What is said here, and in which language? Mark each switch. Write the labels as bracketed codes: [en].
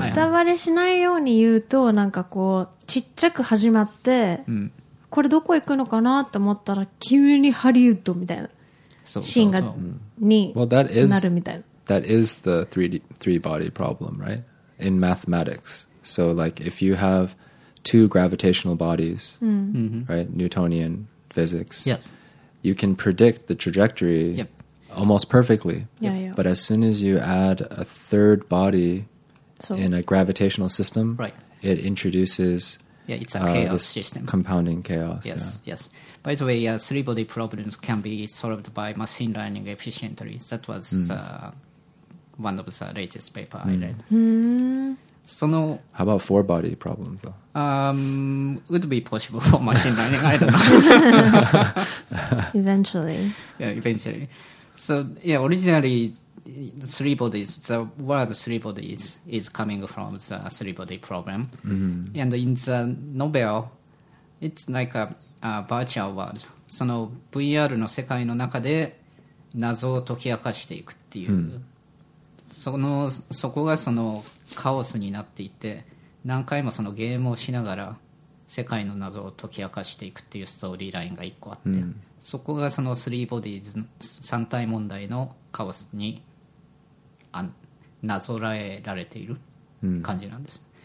[ja] ネタバレしないように言うと、なんかこうちっちゃく始まって、これどこ行くのかなと思ったら急にハリウッドみたいなシーンがに、なるみたいな。 [en] That is the three body problem, right? In mathematics. So like if you have two gravitational bodies, right? Newtonian physics. You can predict the trajectory almost perfectly. But as soon as you add a third body in a gravitational system, it introduces it's a chaos system. Compounding chaos. Yes. By the way, three body problems can be solved by machine learning efficiently. That was one of the latest paper I read. How about four body problems though? Would be possible for machine learning, I don't know. Eventually. So yeah, originally three bodies, the word three bodies is coming from the three body problem. And in the novel, it's like a virtual world. [ja] その VR の世界の中で謎を解き明かしていくっていう。そこがそのカオスになっていて、何回もそのゲームをしながら世界の謎を解き明かしていくっていうストーリーラインが一個あって、そこがその3ボディーズ3体問題のカオスになぞらえられている感じなんです。